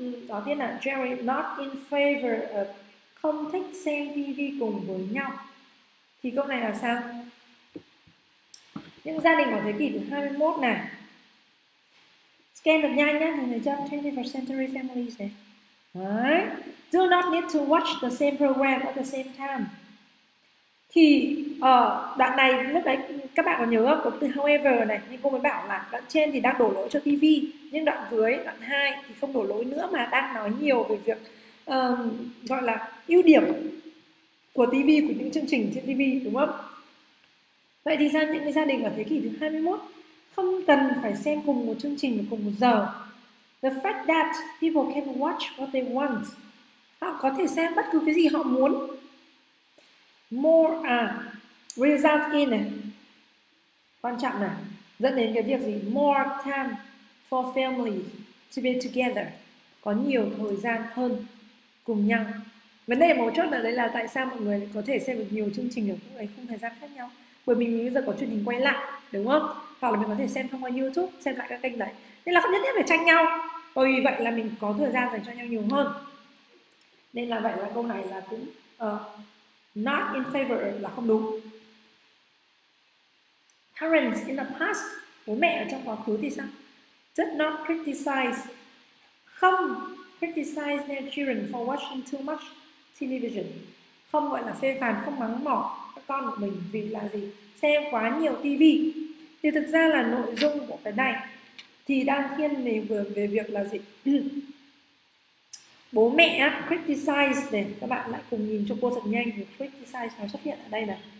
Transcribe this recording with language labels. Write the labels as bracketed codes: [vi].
[vi] Đầu tiên là Jerry [en] not in favor of, [vi] không thích xem TV cùng với nhau. Thì câu này là sao? Những gia đình ở thế kỷ thứ 21 này. Scan được nhanh nhé, người dân [en] 21st century families [vi] này. Đấy. [en] Do not need to watch the same program at the same time. [vi] Thì đoạn này lúc đấy các bạn có nhớ không? Có từ however này, nhưng cô mới bảo là đoạn trên thì đang đổ lỗi cho TV, nhưng đoạn dưới đoạn 2 thì không đổ lỗi nữa mà đang nói nhiều về việc gọi là ưu điểm của TV, của những chương trình trên TV đúng không? Vậy thì sao những cái gia đình ở thế kỷ thứ 21 không cần phải xem cùng một chương trình cùng một giờ? [en] The fact that people can watch what they want. [vi] Họ có thể xem bất cứ cái gì họ muốn. [en] More result in [vi] này. Quan trọng này, dẫn đến cái việc gì? [en] More time for family to be together. [vi] có nhiều thời gian hơn cùng nhau. Vấn đề một chút là đấy là tại sao mọi người có thể xem được nhiều chương trình ở cũng ấy không thời gian khác nhau, bởi vì mình bây giờ có truyền hình quay lại đúng không, hoặc là mình có thể xem thông qua YouTube, xem lại các kênh đấy, nên là không nhất thiết phải tranh nhau, bởi vì vậy là mình có thời gian dành cho nhau nhiều hơn. Nên là vậy là câu này là cũng [en] not in favor, [vi] là không đúng. [en] Parents in the past, [vi] bố mẹ ở trong quá khứ thì sao? [en] Did not criticize, [vi] không [en] criticize their children for watching too much television. [vi] Không gọi là phê phán, không mắng mỏ các con của mình vì là gì? Xem quá nhiều TV. Thì thực ra là nội dung của cái này thì đang thiên về vừa về việc là gì? Bố mẹ criticize này, các bạn lại cùng nhìn cho cô thật nhanh, criticize nó xuất hiện ở đây này.